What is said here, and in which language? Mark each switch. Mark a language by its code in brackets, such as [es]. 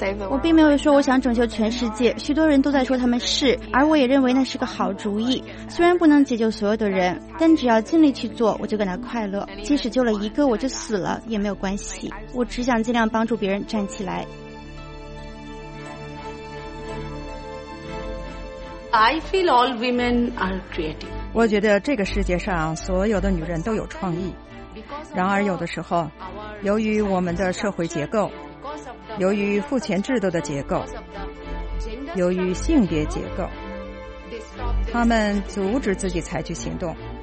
[zh] 我并没有说我想拯救全世界，许多人都在说他们是，而我也认为那是个好主意。虽然不能解救所有的人，但只要尽力去做，我就感到快乐。即使救了一个，我就死了也没有关系。我只想尽量帮助别人站起来。 [en] I feel all women are creative. [zh] 我觉得这个世界上所有的女人都有创意。然而有的时候，由于我们的社会结构，由于父权制度的结构，由于性别结构，他们阻止自己采取行动。